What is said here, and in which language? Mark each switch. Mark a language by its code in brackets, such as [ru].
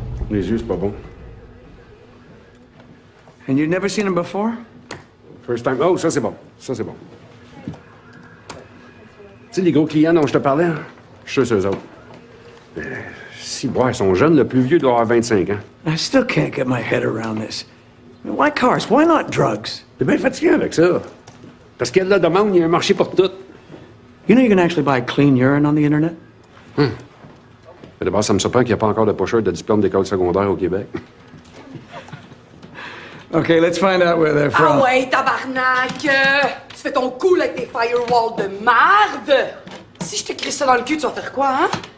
[fr] Les yeux, c'est pas bon. [en] And you've never seen him before? First time. [fr] Oh, ça, c'est bon. Ça, c'est bon. Tu sais, les gros clients dont je te parlais, hein? Je suis sûr, c'est eux autres. Si, bon, ils sont jeunes, le plus vieux doit avoir 25 ans. [en] I still can't get my head around this. Why cars? Why not drugs? [fr] T'es bien fatigué avec ça. Parce qu'il y a de la demande, il y a un marché pour tout. [en] You know you can actually buy clean urine on the internet? Hmm. [fr] Mais d'abord, ça me surprend qu'il n'y a pas encore de pocheur de diplôme d'école secondaire au Québec. [en] OK, let's find out where they're from. [fr] Ah ouais, tabarnak! Tu fais ton cool avec tes firewalls de marde! Si je te crie ça dans le cul, tu vas faire quoi, hein?